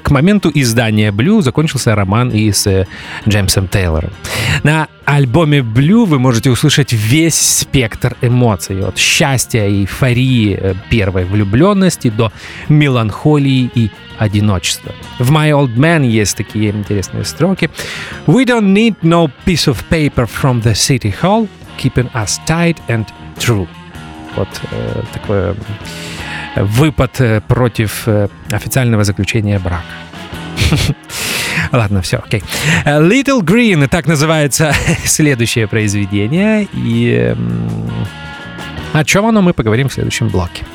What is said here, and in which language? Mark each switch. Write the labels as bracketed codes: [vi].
[ru] К моменту издания «Blue» закончился роман и с Джеймсом Тейлором. На альбоме «Blue» вы можете услышать весь спектр эмоций. От счастья и эйфории первой влюбленности до меланхолии и одиночества. В «My Old Man» есть такие интересные строки. [en] «We don't need no piece of paper from the city hall, keeping us tight and true». [ru] Вот такой выпад против официального заключения брака. Ладно, все, окей. «Little Green» — так называется следующее произведение. И о чем оно, мы поговорим в следующем блоке.